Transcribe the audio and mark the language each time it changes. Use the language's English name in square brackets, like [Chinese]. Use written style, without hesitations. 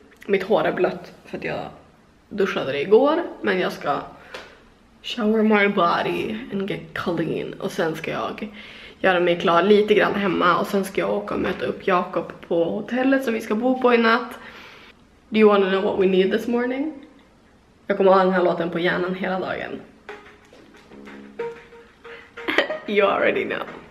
[Swedish] Mitt hår är blött för att jag duschade det igår. Men jag ska [English] shower my body and get clean. [Swedish] Och sen ska jag göra mig klar lite grann hemma. Och sen ska jag åka och möta upp Jakob på hotellet som vi ska bo på i natt. [English] Do you wanna know what we need this morning? [Swedish] Jag kommer ha den här låten på hjärnan hela dagen. [English] You already know.